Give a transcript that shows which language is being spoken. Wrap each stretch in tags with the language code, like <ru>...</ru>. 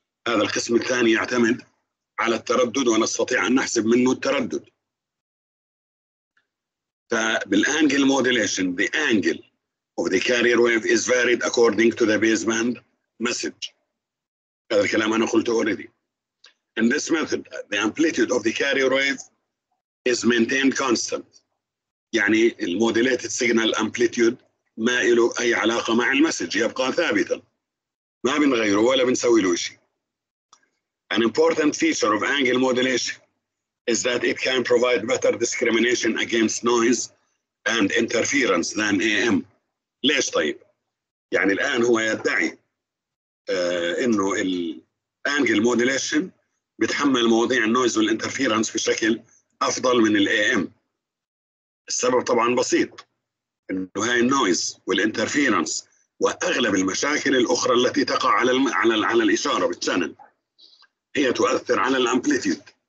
<ar>هذا القسم الثاني يعتمد على التردد، ونستطيع أن نحسب منه التردد.</ar> <en>فبالأنجل modulation, the angle of the carrier wave is varied according to the baseband message.</en> <ar>هذا الكلام أنا قلته</ar> <en>already. In this method, the amplitude of the carrier wave is maintained constant.</en> <ar>يعني الموديليتد سيجنال amplitude ما له أي علاقة مع المسج، يبقى ثابتا، ما بنغيره ولا بنسوي له شيء.</ar> <en>An important feature of angle modulation is that it can provide better discrimination against noise and interference than AM.</en> <ar>ليش طيب؟ يعني الآن هو يدعي إنه الـ angle modulation بتحمل مواضيع النويز والانترفيرنس بشكل أفضل من الـ AM. السبب طبعاً بسيط، إنه هاي النويز والانترفيرنس وأغلب المشاكل الأخرى التي تقع على الـ على الـ على الإشارة بالشانل هي تؤثر على الامبليتيود.</ar>